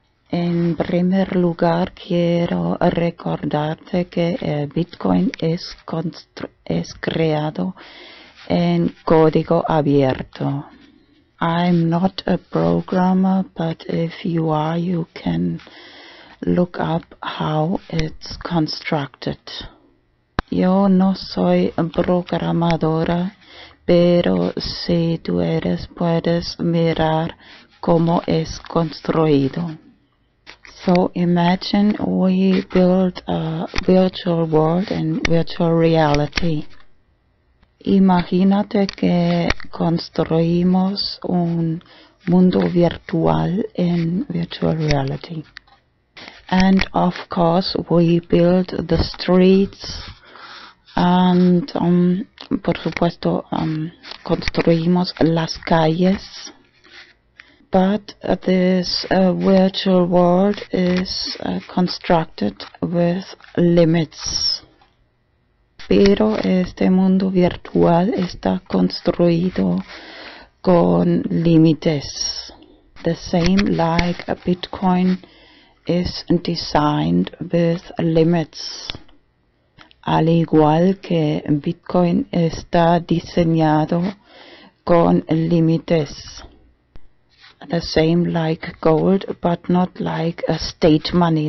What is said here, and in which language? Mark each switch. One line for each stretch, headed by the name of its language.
Spanish: En primer lugar, quiero recordarte que Bitcoin es creado en código abierto.
English: I'm not a programmer, but if you are, you can look up how it's constructed.
Spanish: Yo no soy programadora, pero si tú eres, puedes mirar cómo es construido.
English: So imagine we build a virtual world and virtual reality.
Spanish: Imagínate que construimos un mundo virtual en
English: virtual reality. And of course we build the streets and
Spanish: por supuesto construimos las calles.
English: But this virtual world is constructed with limits.
Spanish: Pero este mundo virtual está construido con límites.
English: The same like a Bitcoin is designed with limits.
Spanish: Al igual que Bitcoin está diseñado con límites.
English: The same like gold, but not like a state money.